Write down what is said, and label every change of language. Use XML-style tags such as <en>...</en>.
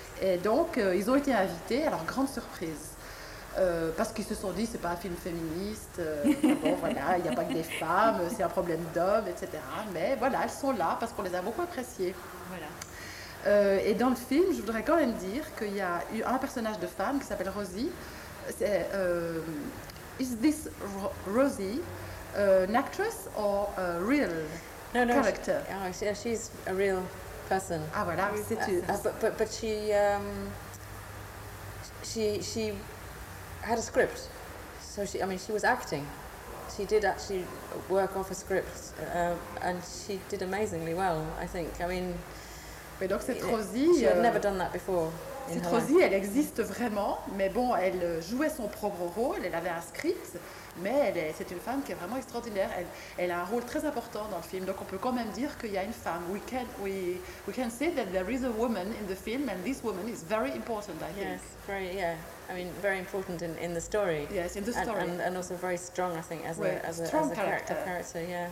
<fr>Et donc, ils ont été invités, alors grande surprise, parce qu'ils se sont dit, c'est pas un film féministe, voilà, il n'y a pas que des femmes, c'est un problème d'hommes, etc. Mais voilà, elles sont là, parce qu'on les a beaucoup appréciées. Voilà. Et dans le film, je voudrais quand même dire qu'il y a eu un personnage de femme qui s'appelle Rosie. C'est,</fr> <en>is this Rosie an actress or a real character? She's a real... person.</en> <fr>Ah voilà, c'est tu.</fr> <en>But she had a script, so she was acting. She did actually work off a script, and she did amazingly well, I think. I mean,</en> <fr>mais donc c'est Rosie.</fr> <en>She had never done that before.</en> <fr>Cette Rosie, elle existe vraiment, mais bon, elle jouait son propre rôle, elle avait un script, mais c'est une femme qui est vraiment extraordinaire. Elle a un rôle très important dans le film, donc on peut quand même dire qu'il y a une femme.</fr> <en>We can say that there is a woman in the film, and this woman is very important, I think. Yes, very, yeah. I mean, very important in the story. Yes, in the story. And also very strong, I think, as a character, yeah.</en>